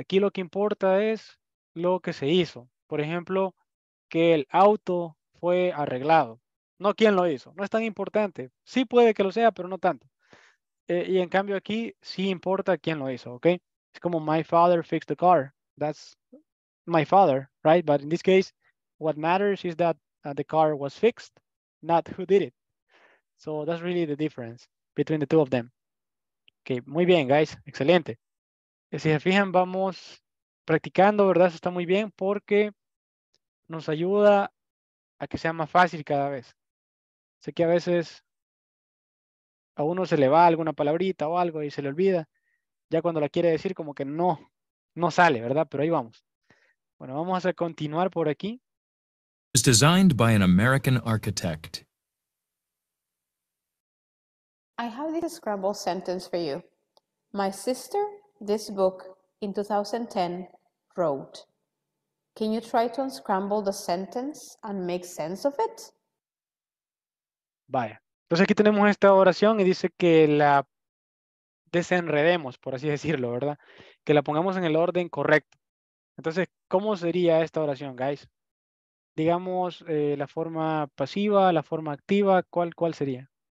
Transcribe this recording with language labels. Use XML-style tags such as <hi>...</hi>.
<es>Aquí lo que importa es lo que se hizo. Por ejemplo, que el auto fue arreglado. No quién lo hizo. No es tan importante. Sí puede que lo sea, pero no tanto. Y en cambio aquí sí importa quién lo hizo, ¿ok?</es> <en>It's como my father fixed the car. That's my father, right? But in this case, what matters is that the car was fixed, not who did it. So that's really the difference between the two of them.</en> <es>Okay, muy bien, guys. Excelente. Si se fijan, vamos practicando, ¿verdad? Eso está muy bien porque nos ayuda a que sea más fácil cada vez. Sé que a veces a uno se le va alguna palabrita o algo y se le olvida. Ya cuando la quiere decir, como que no sale, ¿verdad? Pero ahí vamos. Bueno, vamos a continuar por aquí.</es> <en>It's designed by an American architect. I have this scrambled sentence for you. My sister, this book, in 2010, wrote. Can you try to unscramble the sentence and make sense of it?</en> <es>Vaya. Entonces aquí tenemos esta oración y dice que la desenredemos, por así decirlo, ¿verdad? Que la pongamos en el orden correcto. Entonces, ¿cómo sería esta oración, guys? Digamos, la forma pasiva, la forma activa, ¿cuál sería?</es>